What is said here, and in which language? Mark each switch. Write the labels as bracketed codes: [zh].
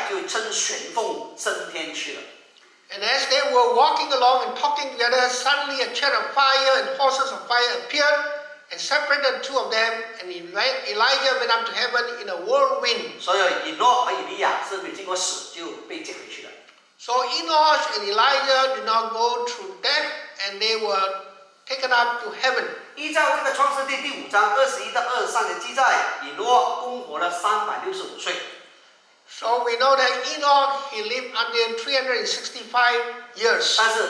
[zh] 他们正走着说话，复有火车、火马将两人隔开，以利亚就乘旋风升天去了。 [en] And as they were walking along and talking together, suddenly a chariot of fire and horses of fire appeared and separated the two of them, and Elijah went up to heaven in a whirlwind. [zh] 所以以诺和以利亚是没经过死就被接回去的。So [en] Enoch and Elijah did not go through death, and they were taken up to heaven. [zh] 依照这个创世纪第五章21到23的记载，以诺共活了365岁。 [en] So we know that Enoch, he lived until 365 years.